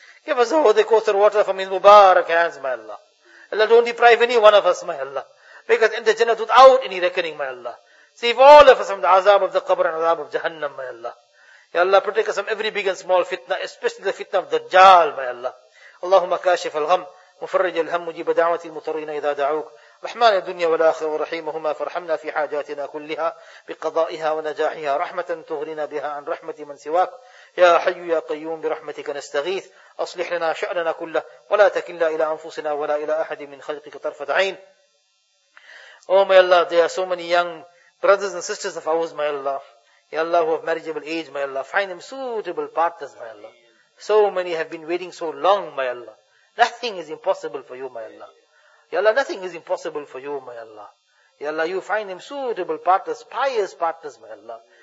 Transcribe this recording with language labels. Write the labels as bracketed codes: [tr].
[en] Give us the Kawthar water from his Mubarak hands, my Allah. Allah, don't deprive any one of us, my Allah. Make us enter Jannat without any reckoning, my Allah. Save all of us from the azab of the qabr and azab of Jahannam, my Allah. Ya Allah, protect us from every big and small fitna, especially the fitna of Dajjal, my Allah. [ar] Allahumma kashif al-gham, mufarrij al-ham, mujib da'wati al-mutarrina idha da'uk. رحمن الدنيا والآخرة ورحيمهما فارحمنا في حاجاتنا كلها بقضائها ونجاحها رحمة تغرنا بها عن رحمة من سواك يا حي يا قيوم برحمتك نستغيث أصلح لنا شأننا كله ولا تكلنا إلى أنفسنا ولا إلى أحد من خلقك طرفة عين. [en] Oh my Allah, there are so many young brothers and sisters of ours, my Allah. Ya Allah, who have marriageable age, my Allah. Find them suitable partners, my Allah. So many have been waiting so long, my Allah. Nothing is impossible for you, my Allah. Ya Allah, nothing is impossible for you, my Allah. Ya Allah, you find them suitable partners, pious partners, my Allah.